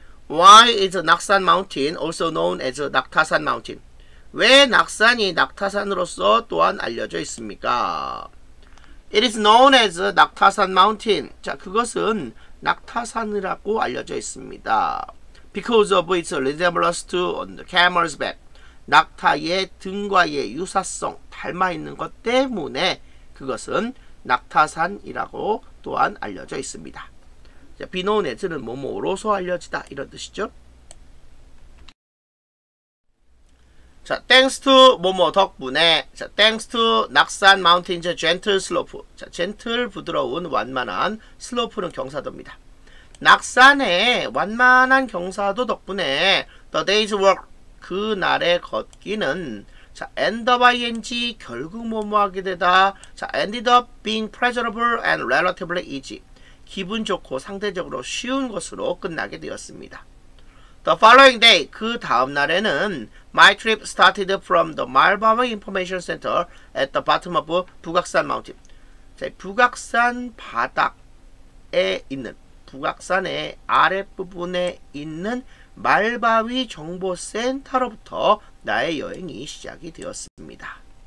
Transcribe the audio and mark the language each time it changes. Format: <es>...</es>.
<en>Why is Naksan Mountain also known as 낙타산 Mountain?</en> <ko>왜 낙산이 낙타산으로서 또한 알려져 있습니까?</ko> <en>It is known as 낙타산 Mountain.</en> <ko>자, 그것은 낙타산이라고 알려져 있습니다.</ko> <en>Because of its resemblance to on the camel's back.</en> <ko>낙타의 등과의 유사성, 닮아있는 것 때문에 그것은 낙타산이라고 또한 알려져 있습니다. 자,</ko> <en>be known as</en> <ko>는 뭐뭐로서 알려지다 이런 뜻이죠.</ko> <en>자, thanks to</en> <ko>뭐뭐 덕분에.</ko> <en>자, thanks to 낙산 mountain's gentle slope.</en> <ko>자, gentle 부드러운 완만한 슬로프는 경사도입니다. 낙산의 완만한 경사도 덕분에</ko> <en>the day's work</en> <ko>그날의 걷기는 자, end of ing 결국 뭐뭐 하게 되다.</ko> <en>자, ended up being pleasurable and relatively easy.</en> <ko>기분 좋고 상대적으로 쉬운 것으로 끝나게 되었습니다.</ko> <en>The following day,</en> <ko>그 다음 날에는</ko> <en>my trip started from the Malbama Information Center at the bottom of 북악산 Mountain.</en> <ko>자, 북악산 바닥에 있는 북악산의 아랫부분에 있는 말바위 정보센터로부터 나의 여행이 시작이 되었습니다.</ko>